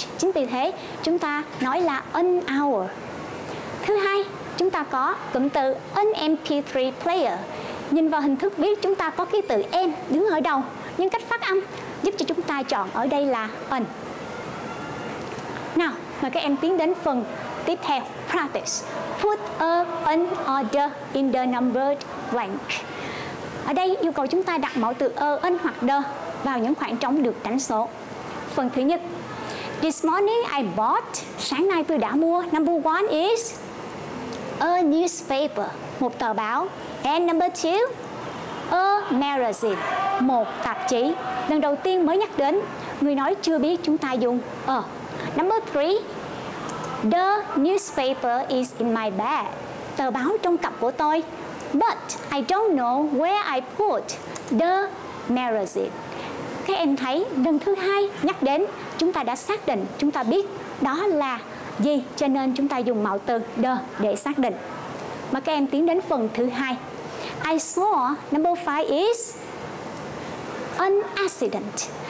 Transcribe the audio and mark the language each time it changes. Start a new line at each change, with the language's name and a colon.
Vietnamese: Chính vì thế chúng ta nói là an hour. Thứ hai, chúng ta có cụm từ an MP3 player. Nhìn vào hình thức viết chúng ta có ký tự N đứng ở đầu nhưng cách phát âm giúp cho chúng ta chọn ở đây là an. Nào, mời các em tiến đến phần tiếp theo.
English: Practice. Put a an order in the numbered blank.
Vietnamese: Ở đây yêu cầu chúng ta đặt mẫu từ a, an hoặc the vào những khoảng trống được đánh số. Phần thứ nhất.
English: This morning I bought.
Vietnamese: Sáng nay tôi đã mua.
English: Number one is a newspaper,
Vietnamese: một tờ báo.
English: And number two, a magazine,
Vietnamese: một tạp chí. Lần đầu tiên mới nhắc đến, người nói chưa biết chúng ta dùng a.
English: Number three, the newspaper is in my bag.
Vietnamese: Tờ báo trong cặp của tôi.
English: But I don't know where I put the magazine.
Vietnamese: Các em thấy, lần thứ hai nhắc đến, chúng ta đã xác định, chúng ta biết đó là gì, cho nên chúng ta dùng mẫu từ the để xác định. Mà các em tiến đến phần thứ hai.
English: I saw number five is an accident.